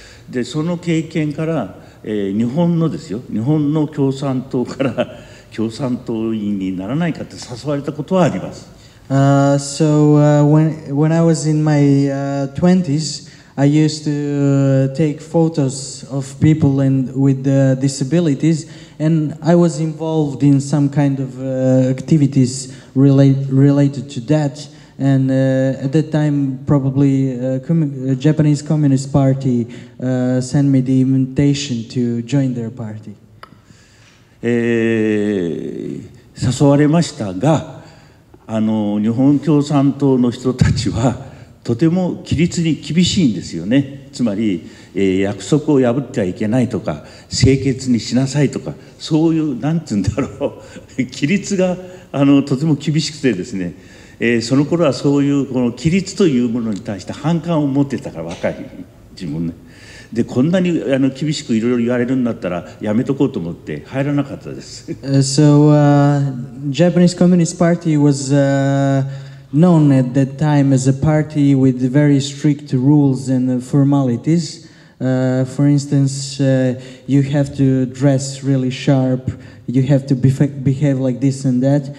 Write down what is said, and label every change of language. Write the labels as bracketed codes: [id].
[ja] で、その経験から、日本のですよ、日本の共産党から、共産党員にならないかって誘われたことはあります。 [en] So when I was in my 20s, I used to take photos of people and with disabilities, and I was involved in some kind of activities related to that. And at that time, probably Japanese Communist Party sent me the invitation to join their party. [ja] 誘われましたが、あの日本共産党の人たちはとても規律に厳しいんですよね。つまり、約束を破ってはいけないとか、清潔にしなさいとか、そういうなんて言うんだろう、規律があのとても厳しくてですね、その頃はそういうこの規律というものに対して反感を持ってたから、若い自分ね。でこんなにあの厳しくいろいろ言われるんだったらやめとこうと思って入らなかったです。 [en] Japanese Communist Party was known at that time as a party with very strict rules and formalities. For instance, you have to dress really sharp, you have to behave like this and that.